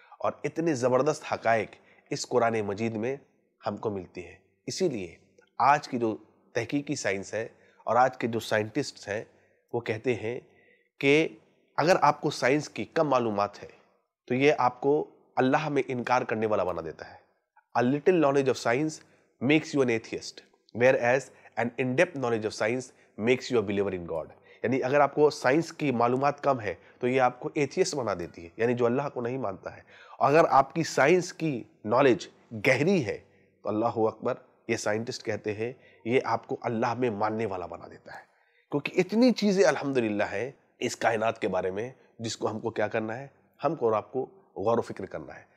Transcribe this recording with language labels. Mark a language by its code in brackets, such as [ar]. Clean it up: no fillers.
[ur] اور اتنے زبردست حقائق اس قرآن مجید میں ہم کو ملتی ہیں. اسی لیے آج کی جو تحقیقی سائنس ہے اور آج کے جو سائنٹسٹ ہیں, وہ کہتے ہیں کہ اگر آپ کو سائنس کی کم معلومات ہے تو یہ آپ کو اللہ میں انکار کرنے والا بنا دیتا ہے. [en] A little knowledge of science makes you an atheist, whereas an in-depth knowledge of science makes you a believer in God. [ur] یعنی اگر آپ کو سائنس کی معلومات کم ہے تو یہ آپ کو ایتھیسٹ بنا دیتی ہے, یعنی جو اللہ کو نہیں مانتا ہے. اور اگر آپ کی سائنس کی نالج گہری ہے تو اللہ اکبر, یہ سائنٹسٹ کہتے ہیں یہ آپ کو اللہ میں ماننے والا بنا دیتا ہے. کیونکہ اتنی چیزیں الحمدللہ ہیں اس کائنات کے بارے میں جس کو ہم کو کیا کرنا ہے, ہم کو اور آپ کو غور و فکر کرنا ہے.